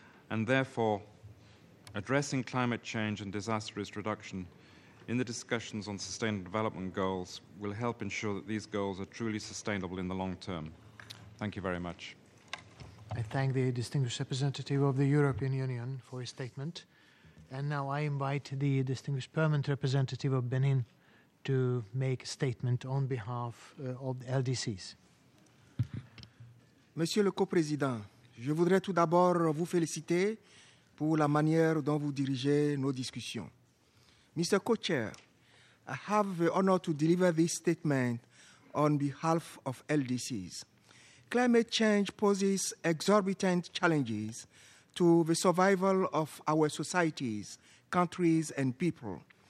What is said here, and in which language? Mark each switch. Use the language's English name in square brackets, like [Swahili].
[English] And therefore, addressing climate change and disaster risk reduction in the discussions on sustainable development goals will help ensure that these goals are truly sustainable in the long term. Thank you very much. I thank the distinguished representative of the European Union for his statement. And now I invite the distinguished permanent representative of Benin to make a statement on behalf of the LDCs. [French] Monsieur le co-président, je voudrais tout d'abord vous féliciter pour la manière dont vous dirigez nos discussions. [English] Mr. Co-Chair, I have the honor to deliver this statement on behalf of LDCs. Climate change poses exorbitant challenges to the survival of our societies, countries, and people.